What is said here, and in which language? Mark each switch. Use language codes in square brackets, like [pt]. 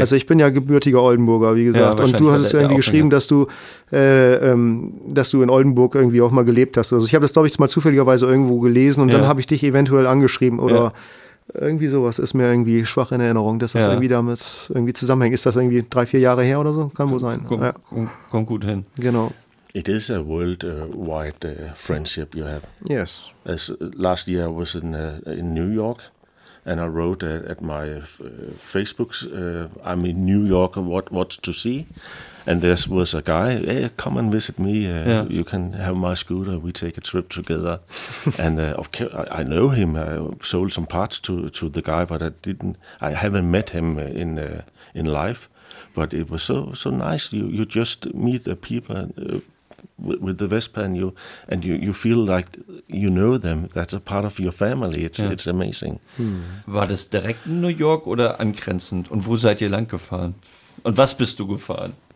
[de] Also ich bin ja gebürtiger Oldenburger, wie gesagt. Ja, und du hattest irgendwie geschrieben, dass du in Oldenburg irgendwie auch mal gelebt hast. Also ich habe das, glaube ich, mal zufälligerweise irgendwo gelesen und dann habe ich dich eventuell angeschrieben oder irgendwie sowas ist mir irgendwie schwach in Erinnerung, dass das irgendwie damit irgendwie zusammenhängt. Ist das irgendwie 3-4 Jahre her oder so? Kann wohl sein. Kommt gut hin. Genau. [en] It is a worldwide friendship you have. Yes. As last year I was in New York. And I wrote at my Facebook, I'm in New York, what's to see? And there was a guy, hey, come and visit me. You can have my scooter. We take a trip together. And I know him. I sold some parts to the guy, but I haven't met him in life. But it was so nice. You just meet the people with the Vespa and you feel like you know them, that's a part of your family, it's amazing. [de] War das direkt in New York oder angrenzend und wo seid ihr lang gefahren und was bist du gefahren?